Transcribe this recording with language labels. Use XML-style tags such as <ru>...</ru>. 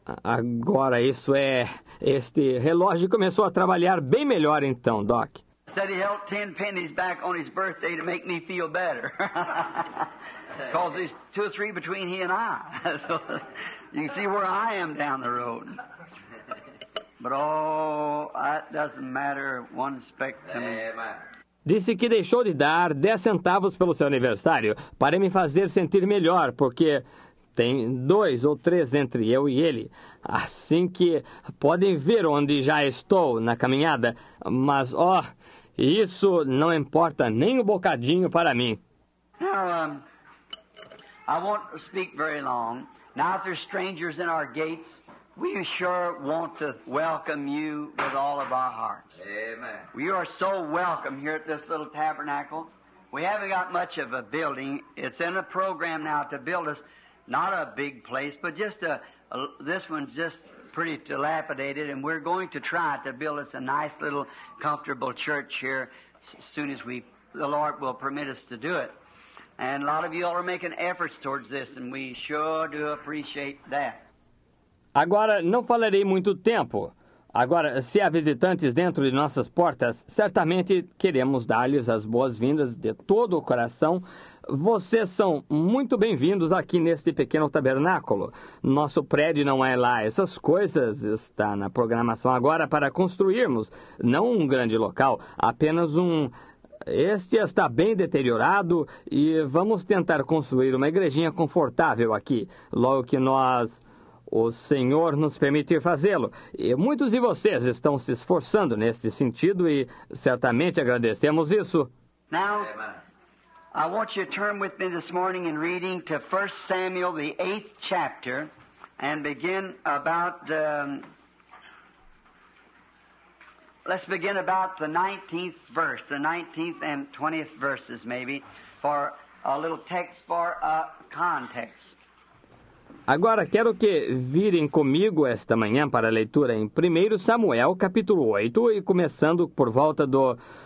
<pt>Agora isso é, este relógio começou a trabalhar bem melhor então, Doc.</pt> <en>Said he held 10 pennies back on his birthday to make me feel better. Because he's two or three between he and I. So you can see where I am down the road. But oh, that doesn't matter one speck to me.</en> <pt>Disse que deixou de dar 10 centavos pelo seu aniversário para me fazer sentir melhor, porque tem 2 ou 3 entre eu e ele. Assim que podem ver onde já estou na caminhada, mas ó, oh, isso não importa nem um bocadinho para mim.</pt> <en>Now, I won't speak very long. Now, if there's strangers in our gates, we sure want to welcome you with all of our hearts. Amen. We are so welcome here at this little tabernacle. We haven't got much of a building. It's in a program now to build us not a big place, but just this one's just pretty dilapidated, and we're going to try to build us a nice little comfortable church here as soon as the Lord will permit us to do it. And a lot of you all are making efforts towards this, and we sure do appreciate that.</en> <pt>Agora, não falarei muito tempo. Agora, se há visitantes dentro de nossas portas, certamente queremos dar-lhes as boas-vindas de todo o coração. Vocês são muito bem-vindos aqui neste pequeno tabernáculo. Nosso prédio não é lá essas coisas. Está na programação agora para construirmos, não um grande local, apenas um... Este está bem deteriorado e vamos tentar construir uma igrejinha confortável aqui, logo que nós... O Senhor nos permitiu fazê-lo. E muitos de vocês estão se esforçando neste sentido e certamente agradecemos isso.</pt> <en>Now, I want you to turn with me this morning in reading to 1 Samuel, the 8th chapter, and begin about the... Let's begin about the 19th verse, the 19th and 20th verses, maybe, for a little text for a context.</en> <pt>Agora, quero que virem comigo esta manhã para a leitura em 1 Samuel, capítulo 8, e começando por volta do...</pt>